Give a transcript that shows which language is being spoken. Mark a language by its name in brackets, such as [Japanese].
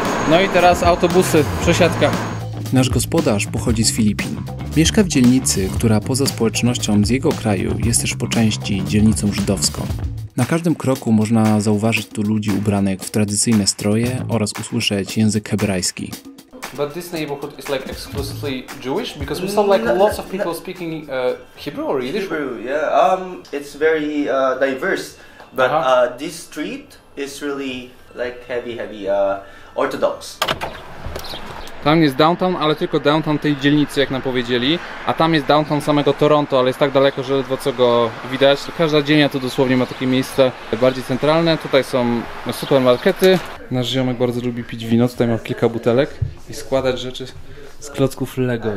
[Polish] No i teraz autobusy, przesiadka. Nasz gospodarz pochodzi z Filipin. Mieszka w dzielnicy, która poza społecznością z jego kraju jest też po części dzielnicą żydowską. Na każdym kroku można zauważyć tu ludzi ubranych w tradycyjne stroje oraz usłyszeć język hebrajski. [English] But this neighborhood is like exclusively Jewish, because we saw like lots of people speaking Hebrew or Yiddish. Hebrew, yeah. It's very diverse, but this street is really like heavy Orthodox. [Polish] Tam jest downtown, ale tylko downtown tej dzielnicy, jak nam powiedzieli. A tam jest downtown samego Toronto, ale jest tak daleko, że ledwo co go widać. Każda dzielnia tu dosłownie ma takie miejsce bardziej centralne. Tutaj są supermarkety. Nasz ziomek bardzo lubi pić wino, tutaj ma kilka butelek i składać rzeczy z klocków Lego.